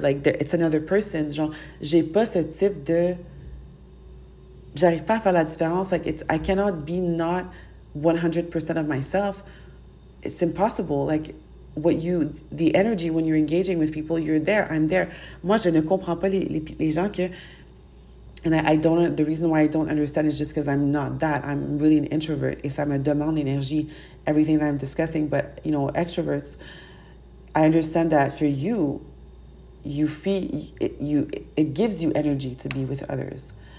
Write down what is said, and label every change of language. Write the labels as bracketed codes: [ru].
[en] Like, it's another person. [fr] Genre, j'ai pas ce type de... J'arrive pas à faire la différence. [en] Like, I cannot be not 100% of myself. It's impossible. Like, the energy when you're engaging with people, you're there, I'm there. [fr] Moi, je ne comprends pas les gens que... [en] And the reason why I don't understand is just because I'm not that. I'm really an introvert. [fr] Et ça me demande l'énergie, [en] everything that I'm discussing. But, you know, extroverts, I understand that for you, it gives you energy to be with others.